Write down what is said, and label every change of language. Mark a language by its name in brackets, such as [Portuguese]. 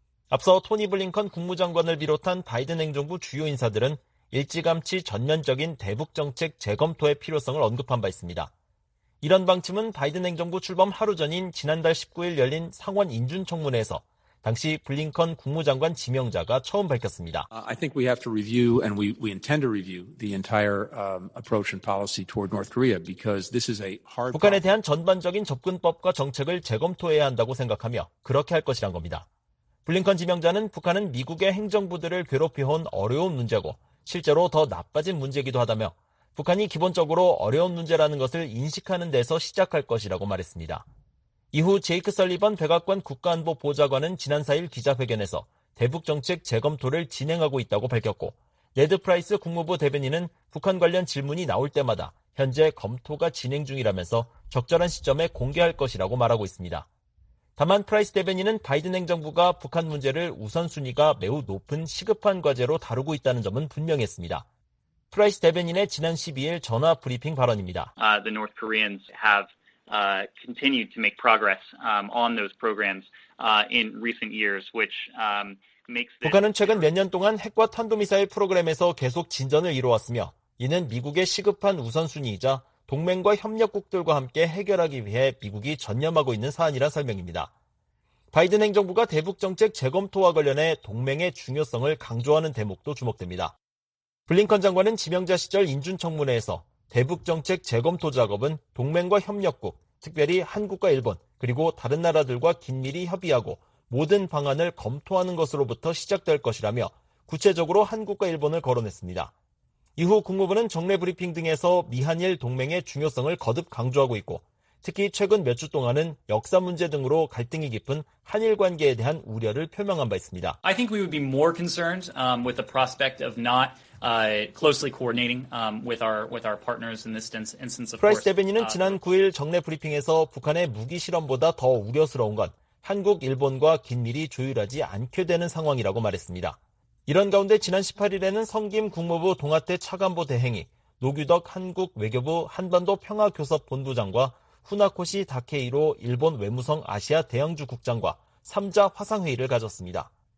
[Korean] 앞서 토니 블링컨 국무장관을 비롯한 바이든 행정부 주요 인사들은 일찌감치 전면적인 대북 정책 재검토의 필요성을 언급한 바 있습니다. 이런 방침은 바이든 행정부 출범 하루 전인 지난달 19일 열린 상원 인준청문회에서 당시 블링컨 국무장관 지명자가 처음 밝혔습니다. [English] I think we have to review and we intend to review the entire approach and policy toward North Korea because this is a hard [Korean] 북한에 대한 전반적인 접근법과 정책을 재검토해야 한다고 생각하며 그렇게 할 것이란 겁니다. 블링컨 지명자는 북한은 미국의 행정부들을 괴롭혀온 어려운 문제고 실제로 더 나빠진 문제이기도 하다며 북한이 기본적으로 어려운 문제라는 것을 인식하는 데서 시작할 것이라고 말했습니다. 이후 제이크 설리번 백악관 국가안보보좌관은 지난 4일 기자회견에서 대북정책 재검토를 진행하고 있다고 밝혔고 네드 프라이스 국무부 대변인은 북한 관련 질문이 나올 때마다 현재 검토가 진행 중이라면서 적절한 시점에 공개할 것이라고 말하고 있습니다. 다만 프라이스 대변인은 바이든 행정부가 북한 문제를 우선순위가 매우 높은 시급한 과제로 다루고 있다는 점은 분명했습니다. 프라이스 대변인의 지난 12일 전화 브리핑 발언입니다. [English] The North Koreans have continued to make progress on those programs in recent years, which makes this... [Korean] 북한은 최근 몇 년 동안 핵과 탄도미사일 프로그램에서 계속 진전을 이루었으며 이는 미국의 시급한 우선순위이자 동맹과 협력국들과 함께 해결하기 위해 미국이 전념하고 있는 사안이란 설명입니다. 바이든 행정부가 대북정책 재검토와 관련해 동맹의 중요성을 강조하는 대목도 주목됩니다. 블링컨 장관은 지명자 시절 인준청문회에서 대북정책 재검토 작업은 동맹과 협력국, 특별히 한국과 일본, 그리고 다른 나라들과 긴밀히 협의하고 모든 방안을 검토하는 것으로부터 시작될 것이라며 구체적으로 한국과 일본을 거론했습니다. 이후 국무부는 정례 브리핑 등에서 미한일 동맹의 중요성을 거듭 강조하고 있고 특히 최근 몇 주 동안은 역사 문제 등으로 갈등이 깊은 한일 관계에 대한 우려를 표명한 바 있습니다. [English] I think we would be more concerned with the prospect of not closely coordinating with our partners in this instance of course. [Korean] 프라이스 대변인은 지난 9일 정례 브리핑에서 북한의 무기 실험보다 더 우려스러운 건 한국, 일본과 긴밀히 조율하지 않게 되는 상황이라고 말했습니다. 이런 가운데 지난 18일에는 성김 국무부 동아태 차관보 대행이 노규덕 한국 외교부 한반도 평화교섭 본부장과 후나코시 다케이로 일본 외무성 아시아 대영주 국장과 3자 화상회의를 가졌습니다.